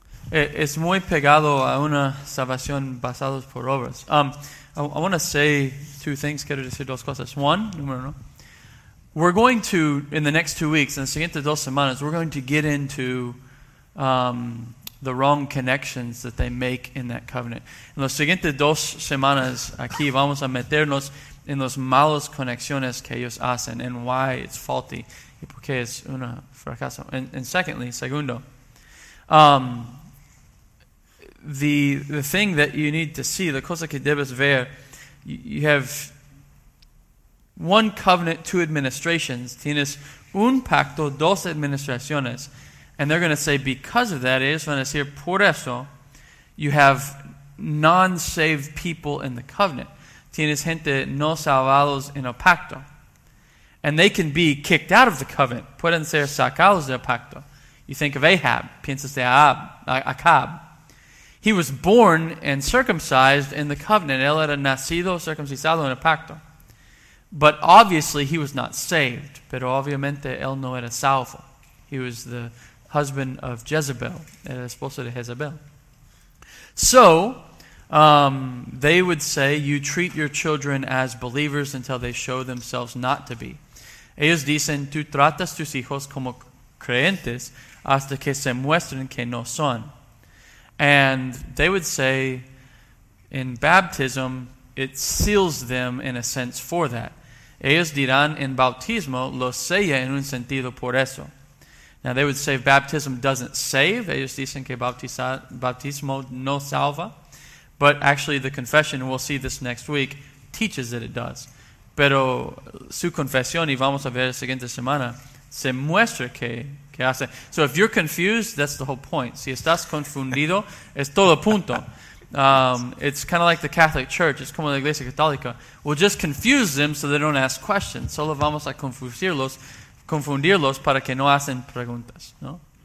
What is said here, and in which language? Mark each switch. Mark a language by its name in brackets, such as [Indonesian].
[Spanish] Es muy pegado a una salvación basada por obras. [English] I want to say two things. [Spanish] Quiero decir dos cosas. [English] One, [Spanish] número uno. [English] We're going to, in the next 2 weeks, [Spanish] en las siguientes dos semanas, [English] we're going to get into the wrong connections that they make in that covenant. [Spanish] En las siguientes dos semanas aquí vamos a meternos en las malas conexiones que ellos hacen [English] and why it's faulty [Spanish] y por qué es un fracaso. [English] And secondly, [Spanish] segundo, [English] the thing that you need to see, the [Spanish] cosa que debes ver, [English] you have one covenant, two administrations. [Spanish] Tienes un pacto, dos administraciones. [English] And they're going to say, because of that, [Spanish] ellos van a decir, por eso, [English] you have non-saved people in the covenant. [Spanish] Tienes gente no salvados en el pacto. [English] And they can be kicked out of the covenant. [Spanish] Pueden ser sacados del pacto. [English] You think of Ahab. [Spanish] Piensas de Acab. [English] He was born and circumcised in the covenant. [Spanish] Él era nacido, circuncisado en el pacto. [English] But obviously, he was not saved. [Spanish] Pero obviamente, él no era salvo. [English] He was the husband of Jezebel, [Spanish] el esposo de Jezebel. [English] So, they would say, you treat your children as believers until they show themselves not to be. [Spanish] Ellos dicen, tú tratas tus hijos como creyentes hasta que se muestren que no son. [English] And they would say, in baptism, it seals them in a sense for that. [Spanish] Ellos dirán, en bautismo, lo sella en un sentido por eso. [English] Now, they would say baptism doesn't save. [Spanish] Ellos dicen que bautismo no salva. [English] But actually, the confession, we'll see this next week, teaches that it does. [Spanish] Pero su confesión, y vamos a ver la siguiente semana, se muestra que hace. [English] So if you're confused, that's the whole point. [Spanish] Si estás confundido, es todo punto. [English] It's kind of like the Catholic Church. [Spanish] It's como la Iglesia Católica. [English] We'll just confuse them so they don't ask questions. [Spanish] Solo vamos a confundirlos para que no hacen preguntas, ¿no?